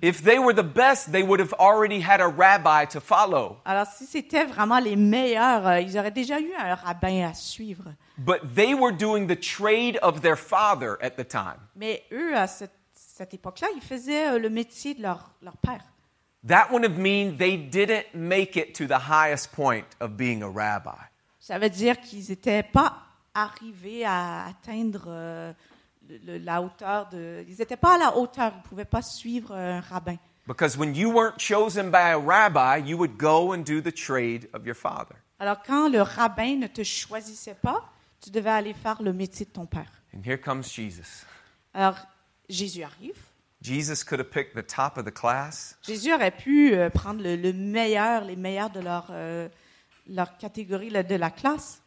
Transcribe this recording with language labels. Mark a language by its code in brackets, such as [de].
[en] If they were the best, they would have already had a rabbi to follow. [fr] Alors si c'était vraiment les meilleurs, ils auraient déjà eu un rabbin à suivre. [en] But they were doing the trade of their father at the time. [fr] Mais eux à cette époque-là, ils faisaient le métier de leur père. [en] That would have mean they didn't make it to the highest point of being a rabbi. [fr] Ça veut dire qu'ils étaient pas arrivés à atteindre la hauteur de. Ils étaient pas à la hauteur. Ils pouvaient pas suivre un rabbin. [en] Because when you weren't chosen by a rabbi, you would go and do the trade of your father. [fr] Alors quand le rabbin ne te choisissait pas, tu devais aller faire le métier de ton père. [en] And here comes Jesus. [fr] Alors Jésus arrive. [en] Jesus could have picked the top of the class. [fr] Jésus aurait pu prendre les meilleurs de leur catégorie de la classe.